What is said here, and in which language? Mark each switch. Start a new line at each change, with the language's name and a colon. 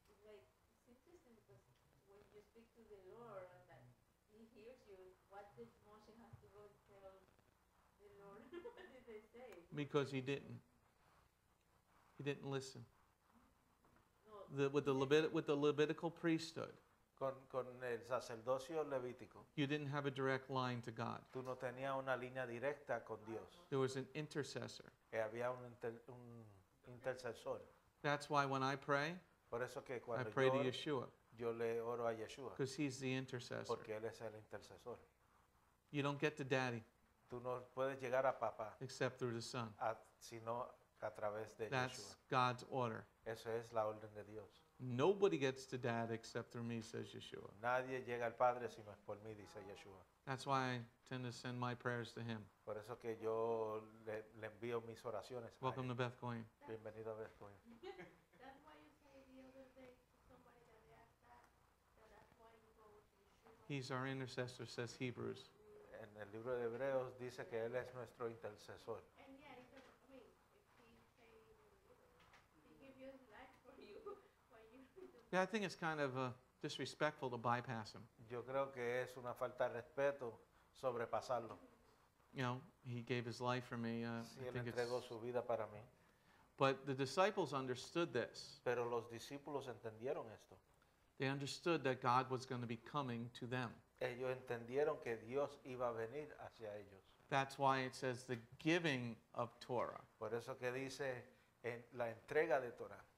English: Like, it's interesting because when you speak to the Lord and that he hears you, what did Moshe have to go tell the Lord? What did they say? Because he didn't. He didn't listen. No. With the Levitical priesthood.
Spanish: Con el sacerdocio levítico.
English: You didn't have a direct line to God.
Spanish: Tú no tenías una línea directa con Dios.
English: There was an intercessor.
Spanish: Había un intercesor.
English: That's why when I pray,
Spanish: por eso que
English: I pray to Yeshua.
Spanish: Yo le oro a Yeshua.
English: Because he's the intercessor.
Spanish: Porque él es el intercesor.
English: You don't get to daddy.
Spanish: Tú no puedes llegar a papá.
English: Except through the son.
Spanish: Sino a través de
English: Yeshua. That's God's order.
Spanish: Eso es la orden de Dios.
English: Nobody gets to dad except through me, says Yeshua.
Spanish: Nadie llega al padre sino por mí, dice Yeshua.
English: That's why I tend to send my prayers to him.
Spanish: Por eso que yo le envío mis oraciones.
English: Welcome to Beth Goyim.
Spanish: Bienvenido a Beth Goyim.
English: That's why you say the other day to somebody that they ask that that's why you go with Yeshua. He's our intercessor, says Hebrews.
Spanish: En el libro de Hebreos dice que él es nuestro intercesor.
English: Yeah, I think it's kind of disrespectful to bypass him.
Spanish: Yo creo que es una falta de respeto sobrepasarlo.
English: You know, he gave his life for me.
Spanish: Si él entregó su vida para mí.
English: But the disciples understood this.
Spanish: Pero los discípulos entendieron esto.
English: They understood that God was going to be coming to them.
Spanish: Ellos entendieron que Dios iba a venir hacia ellos.
English: That's why it says the giving of Torah.
Spanish: Por eso que dice en la entrega de Torah.